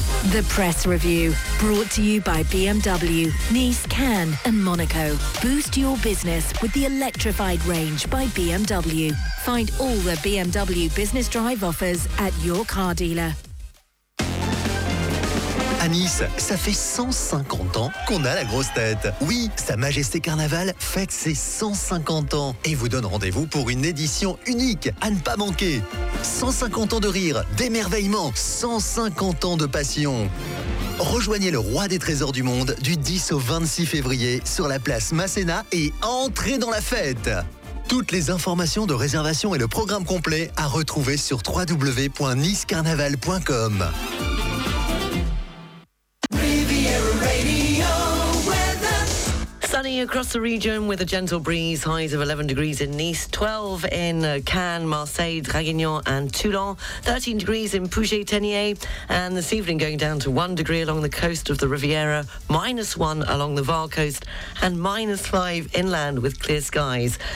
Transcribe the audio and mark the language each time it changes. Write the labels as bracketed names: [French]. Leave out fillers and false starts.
[English] The Press Review, brought to you by BMW, Nice, Cannes and Monaco. Boost your business with the electrified range by BMW. Find all the BMW Business Drive offers at your car dealer. [French] À Nice, ça fait 150 ans qu'on a la grosse tête. Oui, Sa Majesté Carnaval fête ses 150 ans et vous donne rendez-vous pour une édition unique à ne pas manquer. 150 ans de rire, d'émerveillement, 150 ans de passion. Rejoignez le roi des trésors du monde du 10 au 26 février sur la place Masséna et entrez dans la fête. Toutes les informations de réservation et le programme complet à retrouver sur www.nicecarnaval.com. [English] Sunny across the region with a gentle breeze, highs of 11 degrees in Nice, 12 in Cannes, Marseille, Draguignan and Toulon, 13 degrees in Puget-Tenier, and this evening going down to 1 degree along the coast of the Riviera, minus 1 along the Var coast and minus 5 inland with clear skies.